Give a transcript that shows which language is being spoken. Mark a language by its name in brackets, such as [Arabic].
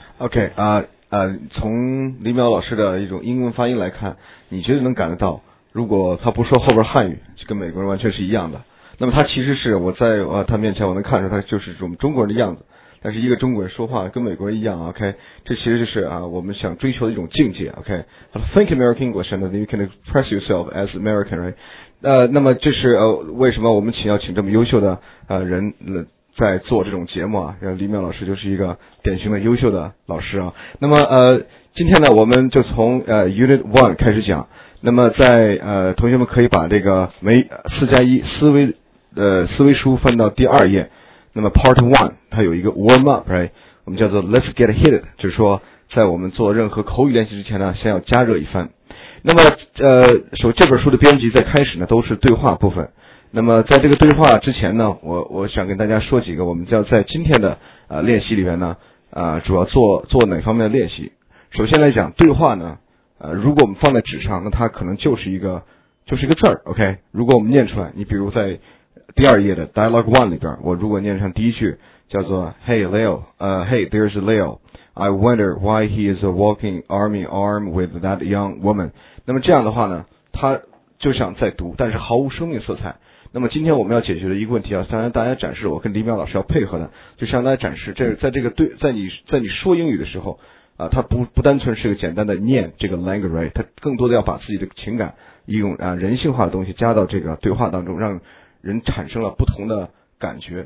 [Chinese] OK， 从李淼老师的一种英文发音来看，你觉得能感得到，如果他不说后边汉语，就跟美国人完全是一样的。那么他其实是我在他面前我能看出他就是我们中国人的样子，但是一个中国人说话跟美国人一样 ，OK， 这其实就是我们想追求的一种境界 ，OK。 [English] Think American English, and you can express yourself as American, right？ [Chinese] 那么这是为什么我们要请这么优秀的人在做这种节目啊？李淼老师就是一个典型的优秀的老师啊。那么今天呢，我们就从Unit One 开始讲。那么在同学们可以把这个4+1思维书翻到第二页，那么 [English] part one [Chinese] 它有一个 [English] warm up， right？ [Chinese] 我们叫做 [English] let's get hit， [Chinese] 就是说在我们做任何口语练习之前呢，先要加热一番。那么首先这本书的编辑在开始呢都是对话部分，那么在这个对话之前呢，我想跟大家说几个我们叫在今天的练习里面呢主要做哪方面的练习。首先来讲对话呢，如果我们放在纸上，那它可能就是一个字儿 ，OK。如果我们念出来，你比如在第二页的 Dialogue One 里边，我如果念上第一句叫做 [English] "Hey Leo, Hey, there's Leo. I wonder why he is walking arm in arm with that young woman." [Chinese] 那么这样的话呢，他就想再读，但是毫无生命色彩。那么今天我们要解决的一个问题啊，向大家展示，我跟李淼老师要配合的，就向大家展示这在这个对在你说英语的时候。它不单纯是个简单的念这个 language， 它更多的要把自己的情感一种人性化的东西加到这个对话当中，让人产生了不同的感觉。